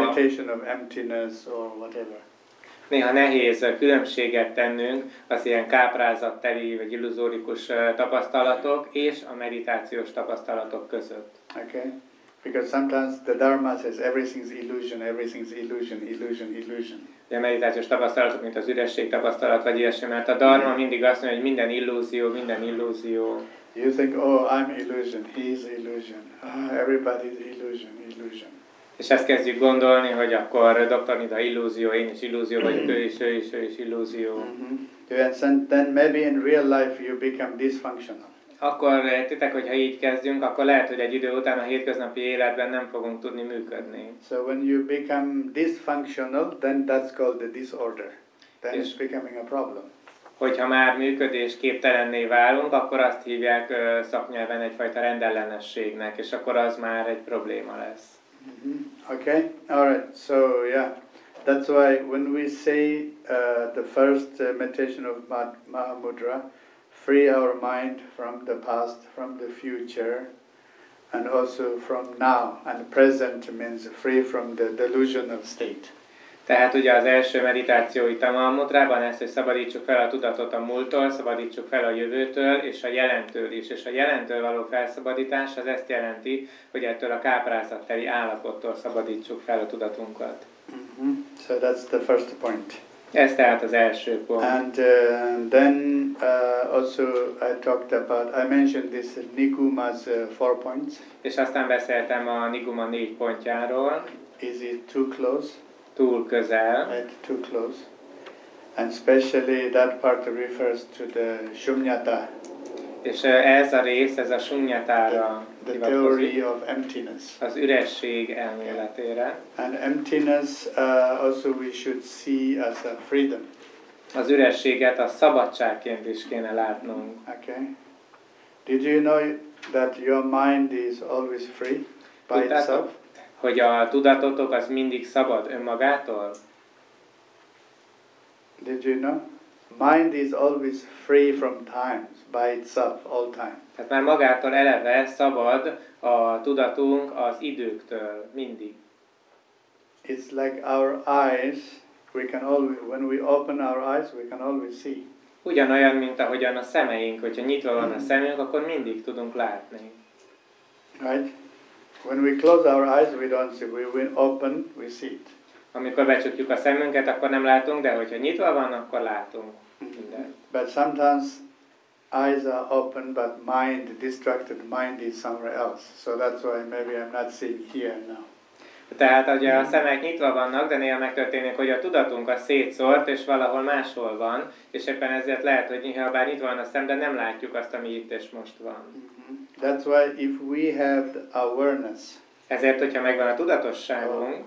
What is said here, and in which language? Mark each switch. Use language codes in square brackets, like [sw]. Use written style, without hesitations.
[en] meditation of emptiness or whatever. [hu] Néha nehéz különbséget tennünk az ilyen káprázatteli vagy illuzórikus tapasztalatok és a meditációs tapasztalatok között. [en] Okay. Because sometimes the Dharma says everything's illusion, illusion, illusion. [hu] A meditációs tapasztalatok, mint az üresség tapasztalat, vagy ilyesmi, mert a Dharma mindig azt mondja, hogy minden illúzió, minden illúzió. [en] You think, oh, I'm illusion, he's illusion, oh, everybody's illusion, illusion. [hu] És ezt kezdjük gondolni, hogy akkor Dr. Nida illúzió, én is illúzió vagyok, ő is illúzió. Mm-hmm. [en] And then maybe in real life you become dysfunctional. [hu] Akkor lehetitek, hogyha így kezdjünk, akkor lehet, hogy egy idő után a hétköznapi életben nem fogunk tudni működni. [en] So when you become dysfunctional, then that's called the disorder. Then it's becoming a problem. [hu] Hogyha már működésképtelenné válunk, akkor azt hívják szaknyelven egyfajta rendellenességnek, és akkor az már egy probléma lesz. [en] Mm-hmm. Okay, alright, so yeah. That's why when we say the first meditation of Mahamudra, free our mind from the past, from the future, and also from now. And present means free from the delusional state. [hu] Tehát ugye az első meditációi tamalmutrában ezt, hogy szabadítsuk fel a tudatot a múlttól, szabadítsuk fel a jövőtől és a jelentől is. És a jelentől való felszabadítás az ezt jelenti, hogy ettől a káprázatteli állapottól szabadítsuk fel a tudatunkat. Mm-hmm. [en] So that's the first point. [hu] Ez tehát az első pont. [en] And then also I talked about, I mentioned this Niguma's four points. [hu] És aztán beszéltem a Niguma négy pontjáról. [en] Is it too close? [hu] Túl közel. [en] Right, too close. And especially that part refers to the shunyata. [hu] És ez a rész, ez a shunyatára hivatkozik. [en] The theory of emptiness. [hu] Az üresség elméletére. [en] Yeah. And emptiness also we should see as a freedom. [hu] Az ürességet a szabadságként is kéne látnunk. [en] Okay. Did you know that your mind is always free by itself? [hu] Hogy a tudatotok az mindig szabad önmagától? [en] Did you know? Mind is always free from time, by itself, all time. [hu] Tehát már magától eleve szabad a tudatunk az időktől, mindig. [en] It's like our eyes, we can always, when we open our eyes, we can always see. [hu] Ugyanolyan, mint ahogyan a szemeink, hogyha nyitva van a szemünk, akkor mindig tudunk látni. [en] Right? When we close our eyes, we don't see. We open, we see it. [hu] Amikor becsukjuk a szemünket, akkor nem látunk, de hogyha nyitva van, akkor látunk mindent. [en] But sometimes eyes are open, but mind, distracted mind is somewhere else. So that's why maybe I'm not seeing here now. [hu] Tehát ugye a szemek nyitva vannak, de néha megtörténik, hogy a tudatunk a szétszórt, és valahol máshol van, és éppen ezért lehet, hogy néha bár nyitva van a szem, de nem látjuk azt, ami itt és most van. [en] That's why if we have awareness, [hu] ezért, hogyha megvan a tudatosságunk,